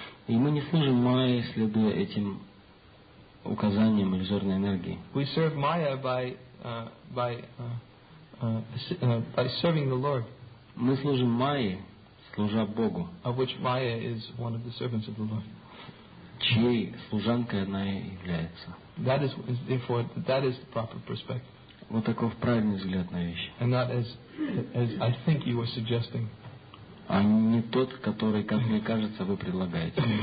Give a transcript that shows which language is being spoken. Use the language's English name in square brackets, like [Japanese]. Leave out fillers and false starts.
[Russian] И мы не служим Майе, следуя этим указанием иллюзорной энергии. [English] We serve Maya by serving the Lord. [Russian] Мы служим Майе, служа Богу. [English] Of which Maya is one of the servants of the Lord. [Russian] Чьей служанкой она и является. [English] That is therefore that is the proper perspective. [Russian] Вот такой правильный взгляд на вещи. [English] And not as I think you were suggesting. [Russian] А не тот, который, как мне кажется, вы предлагаете.